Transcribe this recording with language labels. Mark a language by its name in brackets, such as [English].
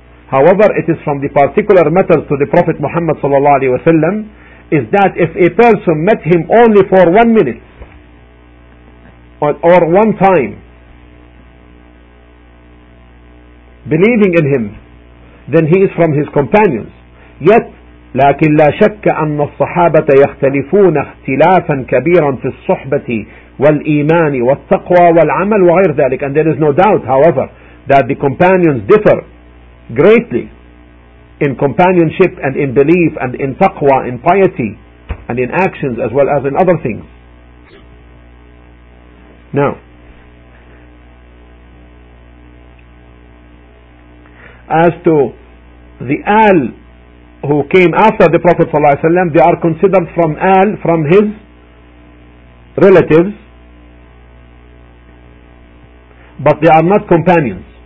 [English] However, it is from the particular matters to the Prophet Muhammad sallallahu alaihi wasallam, is that if a person met him only for 1 minute or one time, believing in him than he is from his companions. [Arabic] Yet, لكن لا شك أن الصحابة يختلفون اختلافا كبيرا في الصحبة والإيمان والتقوى والعمل وغير ذلك. [English] And there is no doubt, however, that the companions differ greatly in companionship and in belief and in taqwa, in piety and in actions as well as in other things. Now, as to the Al who came after the Prophet ﷺ, they are considered from Al, from his relatives, but they are not companions.